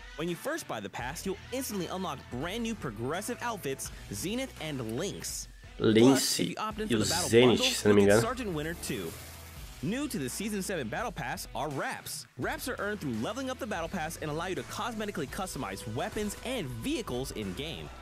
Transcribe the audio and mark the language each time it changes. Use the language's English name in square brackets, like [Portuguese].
[English] When you first buy the pass, you'll instantly unlock brand new progressive outfits, Zenith and Lynx. [Portuguese] Lynx e o Zenith, se não me engano. [English] Sergeant Winter 2. New to the Season 7 Battle Pass are wraps. Wraps are earned through leveling up the Battle Pass and allow you to cosmetically customize weapons and vehicles in game.